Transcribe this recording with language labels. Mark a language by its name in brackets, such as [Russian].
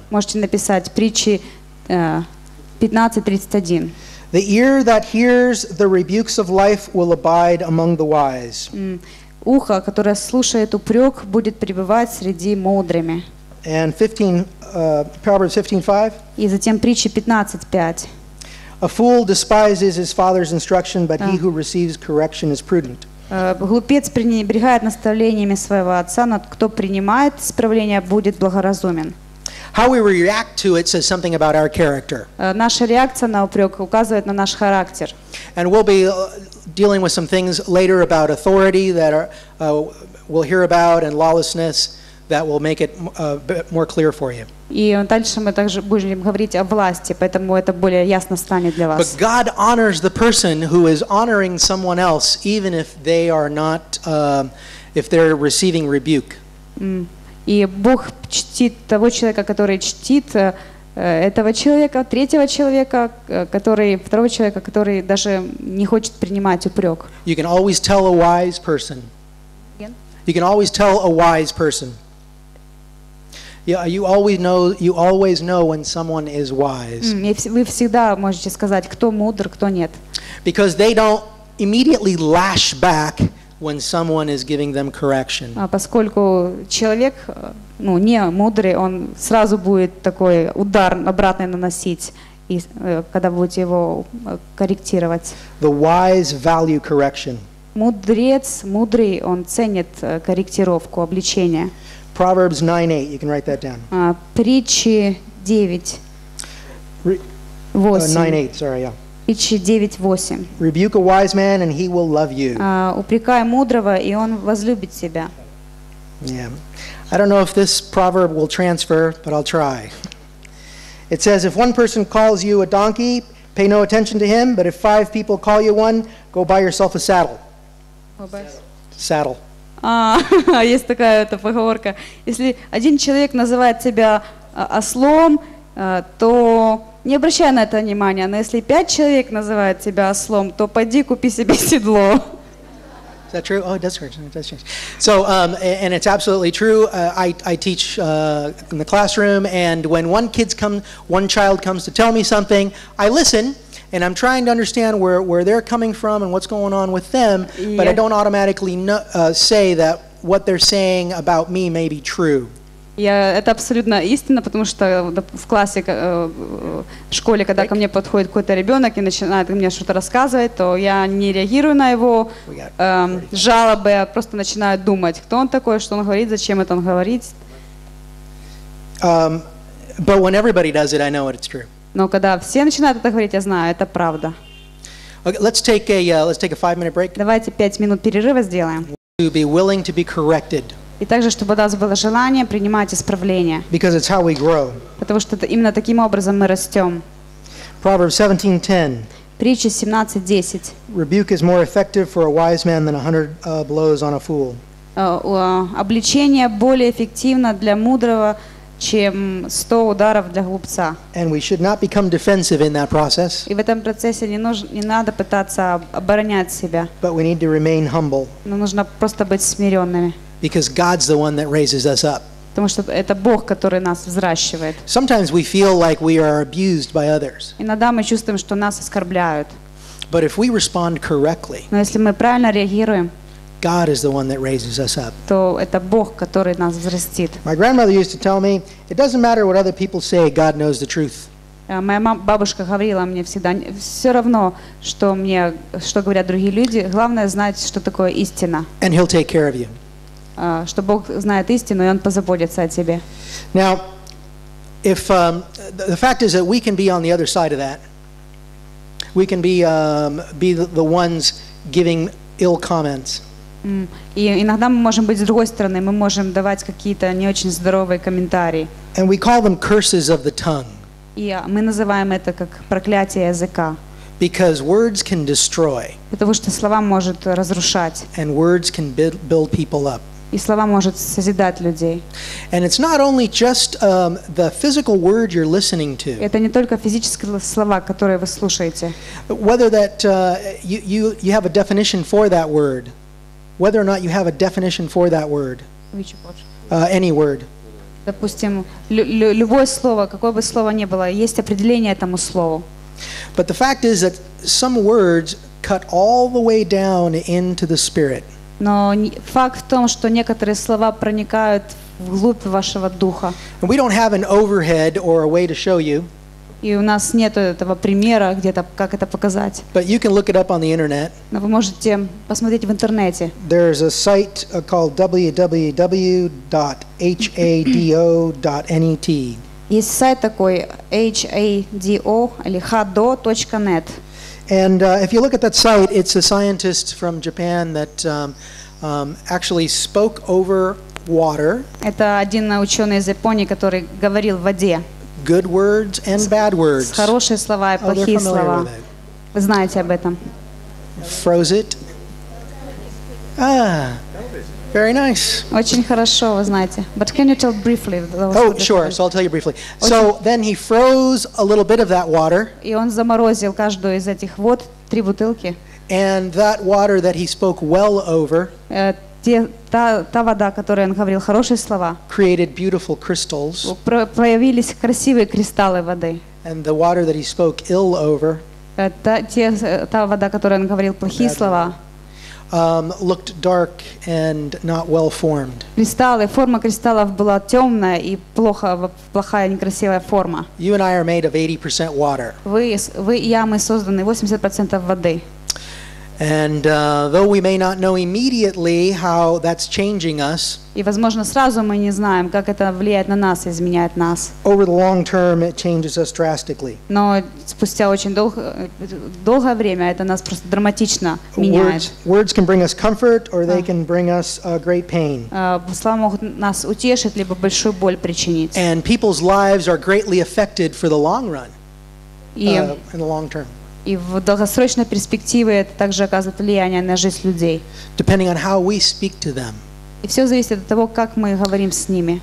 [Russian] Можете написать притчи 15:31. [English] The ear that hears the rebukes of life will abide among the wise. [Russian] Ухо, которое слушает упрек, будет пребывать среди мудрыми. [English] And 15:5. [Russian] И затем притчи 15:5. [English] A fool despises his father's instruction, but he who receives correction is prudent. [Russian] Глупец пренебрегает наставлениями своего отца, но кто принимает исправление, будет благоразумен. [English] How we react to it says something about our character. [Russian] Наша реакция на упрек указывает на наш характер. [English] And we'll be dealing with some things later about authority that are, we'll hear about and lawlessness that will make it bit more clear for you. [Russian] И дальше мы также будем говорить о власти, поэтому это более ясно станет для вас. [English] But God honors the person who is honoring someone else, even if they are not, if they're receiving rebuke. [Russian] И Бог чтит того человека, который чтит этого человека, третьего человека, который, второго человека, который даже не хочет принимать упрек. [English] You can always tell a wise person. Again? You can always tell a wise person. Yeah, you always know when someone is wise. [Russian] Вы всегда можете сказать, кто мудр, кто нет. [English] Because they don't immediately lash back when someone is giving them correction. [Russian] А поскольку человек, ну, не мудрый, он сразу будет такой удар обратный наносить, и когда будете его корректировать. [English] The wise value correction. [Russian] Мудрец, мудрый, он ценит корректировку, обличение. [English] Proverbs 9:8. You can write that down. [Russian] Притчи 9:8. [English] 9:8. Sorry, yeah. [Russian] Притчи 9:8. [English] Rebuke a wise man, and he will love you. [Russian] Упрекай мудрого, и он возлюбит тебя. [English] Yeah. I don't know if this proverb will transfer, but I'll try. It says, if one person calls you a donkey, pay no attention to him. But if five people call you one, go buy yourself a saddle. Saddle. [Russian] Есть такая эта поговорка. Если один человек называет тебя ослом, то не обращай на это внимания. Но если пять человек называют тебя ослом, то пойди купи себе седло. [English] Is that true? Oh, it does change. It does change. So, and it's absolutely true. I teach in the classroom, and when one child comes to tell me something, I listen. And I'm trying to understand where they're coming from and what's going on with them, but I don't automatically say that what they're saying about me may be true. [Russian] Yeah, это абсолютно истина, потому что в классе, в школе, когда ко мне подходит какой-то ребенок и начинает мне что-то рассказывать, то я не реагирую на его жалобы, а просто начинаю думать, кто он такой, что он говорит, зачем это он говорит. [English] But when everybody does it, I know it's true. [Russian] Но когда все начинают это говорить, я знаю, это правда. [English] Okay, let's take a 5-minute break. [Russian] Давайте 5 минут перерыва сделаем. [English] To be willing to be corrected. [Russian] И также, чтобы у нас было желание принимать исправление. [English] Because it's how we grow. [Russian] Потому что это именно таким образом мы растем. [English] Proverbs 17:10. [Russian] Притча 17:10. [English] Rebuke is more effective for a wise man than 100 blows on a fool. [Russian] Обличение более эффективно для мудрого, чем 100 ударов для глупца. [English] And we should not become defensive in that process. [Russian] И в этом процессе не надо пытаться оборонять себя. [English] But we need to remain humble. [Russian] Но нужно просто быть смиренными. [English] Because God's the one that raises us up. [Russian] Потому что это Бог, который нас взращивает. [English] Sometimes we feel like we are abused by others. [Russian] Иногда мы чувствуем, что нас оскорбляют. [English] But if we respond correctly. [Russian] Но если мы правильно реагируем. [English] God is the one that raises us up. [Russian] То это Бог, который нас взрастит. [English] My grandmother used to tell me, it doesn't matter what other people say, God knows the truth. [Russian] Моя бабушка говорила мне всегда, все равно, что мне, что говорят другие люди, главное знать, что такое истина. [English] And he'll take care of you. [Russian] Что Бог знает истину, и он позаботится о тебе. [English] Now, if the fact is that we can be on the other side of that. We can be the ones giving ill comments. [Russian] И иногда мы можем быть с другой стороны, мы можем давать какие-то не очень здоровые комментарии. [English] And we call them curses of the tongue. [Russian] И мы называем это как проклятие языка. [English] Because words can destroy. [Russian] Потому что слова могут разрушать. [English] And words can build people up. [Russian] И слова могут созидать людей. [English] And it's not only just the physical word you're listening to. [Russian] Это не только физические слова, которые вы слушаете. [English] Whether that you have a definition for that word. Whether or not you have a definition for that word. Any word. [Russian] Допустим, любое слово, какое бы слово ни было, есть определение этому слову. [English] But the fact is that some words cut all the way down into the spirit. [Russian] Но факт в том, что некоторые слова проникают вглубь вашего духа. [English] And we don't have an overhead or a way to show you. [Russian] И у нас нет этого примера, где-то, как это показать. [English] But you can look it up on the internet. [Russian] Но вы можете посмотреть в интернете. [English] There's a site called www.hado.net. [Russian] Есть сайт такой HADO или hado.net. [English] And if you look at that site, it's a scientist from Japan that actually spoke over water. [Russian] Это один ученый из Японии, который говорил в воде. [English] Good words and bad words. [Russian] Хорошие слова и плохие слова. Вы знаете об этом? [English] Froze it. Very nice. [Russian] Очень хорошо, вы знаете. [English] But can you tell briefly? Oh, sure. So I'll tell you briefly. So then he froze a little bit of that water. [Russian] И он заморозил каждую из этих вод, три бутылки. [English] And that water that he spoke well over. [Russian] Та вода, которой он говорил хорошие слова. [English] Created beautiful crystals. [Russian] Появились красивые кристаллы воды. [English] And the water that he spoke ill over. [Russian] Та вода, которой он говорил плохие слова. [English] Looked dark and not well formed. [Russian] Кристаллы, форма кристаллов была темная и плохая, некрасивая форма. [English] You and I are made of 80% water. [Russian] Вы и я, мы созданы 80% воды. [English] And though we may not know immediately how that's changing us. [Russian] И возможно сразу мы не знаем, как это влияет на нас, изменяет нас. [English] Over the long term, it changes us drastically. [Russian] Но спустя очень долгое время это нас просто драматично меняет. [English] Words can bring us comfort, or they can bring us great pain. [Russian] Слова могут нас утешить либо большую боль причинить. [English] And people's lives are greatly affected for the long run. In the long term. [Russian] И в долгосрочной перспективе это также оказывает влияние на жизнь людей. [English] Depending on how we speak to them. [Russian] И все зависит от того, как мы говорим с ними.